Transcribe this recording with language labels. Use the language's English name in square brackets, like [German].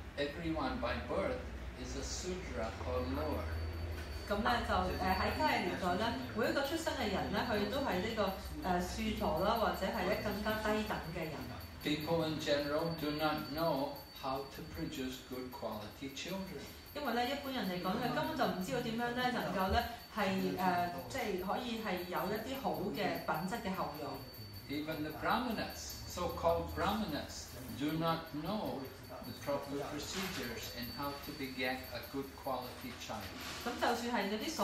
[English] Everyone by birth is a sudra or lower. [Cantonese] 咁咧就誒喺卡爾年代咧，每一個出生嘅人咧，佢都係呢個誒庶陀啦，或者係咧更加低等嘅人。 [English] People in general do not know how to produce good quality children. [Cantonese] 因為咧，一般人嚟講咧，根本就唔知道點樣咧，能夠咧係誒，即係可以係有一啲好嘅品質嘅後裔。 [English] Even the Brahmanas, so-called Brahmanas, do not know the proper procedures and how to beget a good quality child.